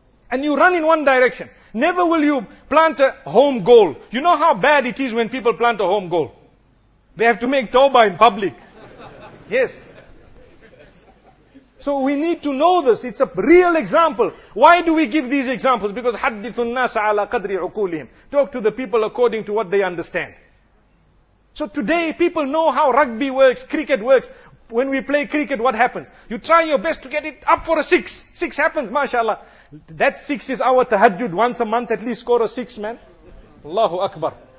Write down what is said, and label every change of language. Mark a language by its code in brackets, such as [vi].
[en] And you run in one direction. Never will you plant a home goal. You know how bad it is when people plant a home goal. They have to make tawbah in public. Yes. So we need to know this. It's a real example. Why do we give these examples? Because [ar] حَدِّثُ النَّاسَ عَلَىٰ قَدْرِ عُقُولِهِمْ. [en] Talk to the people according to what they understand. So today people know how rugby works, cricket works. When we play cricket, what happens? You try your best to get it up for a six. Six happens, mashallah. That six is our tahajjud. Once a month, at least score a six, man. Allahu Akbar.